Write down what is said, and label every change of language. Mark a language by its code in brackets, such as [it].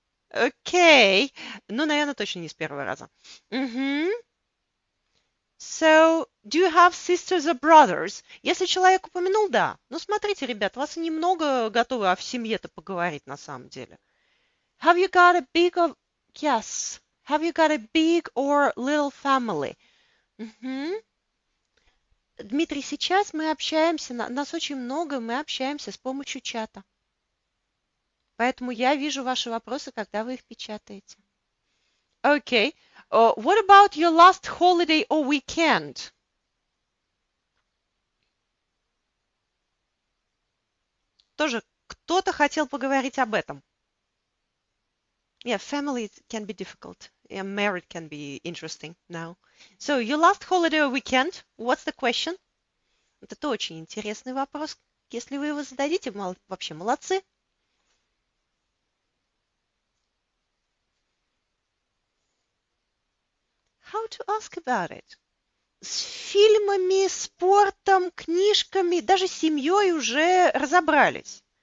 [en] Okay. [ru] Ну, наверное, точно не с первого раза. [en] So, do you have sisters or brothers? [ru] Если человек упомянул, да. Ну, смотрите, ребят, вас немного готовы о семье-то поговорить на самом деле. [en] Have you got a big or... Yes. Have you got a big or little family? [ru] Дмитрий, сейчас мы общаемся, нас очень много, мы общаемся с помощью чата. Поэтому я вижу ваши вопросы, когда вы их печатаете. [en] Okay. What about your last holiday or weekend? [ru] Тоже кто-то хотел поговорить об этом. [en] Yeah, family can be difficult. Yeah, marriage can be interesting now. So, your last holiday or weekend, what's the question? [ru] Это очень интересный вопрос. Если вы его зададите, вообще молодцы. [en] How to ask about it? [ru] С фильмами, спортом, книжками, даже с семьей уже разобрались.